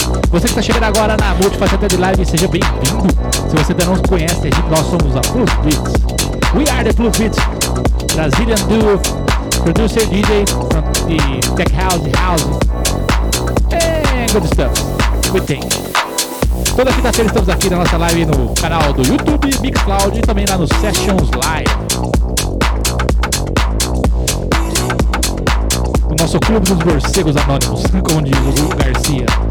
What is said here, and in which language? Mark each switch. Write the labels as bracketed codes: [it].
[pt] Você que está chegando agora na Multifaceted Live, seja bem-vindo. Se você ainda não conhece, nós somos a Plus Beats. [en] We are the Plus Beats, Brazilian duo, producer, DJ, from the tech house, and good stuff, good thing. [pt] Toda quinta-feira estamos aqui na nossa live no canal do YouTube, Mixcloud e também lá no Sessions Live. Nosso clube dos morcegos anônimos, como diz o Lu Garcia.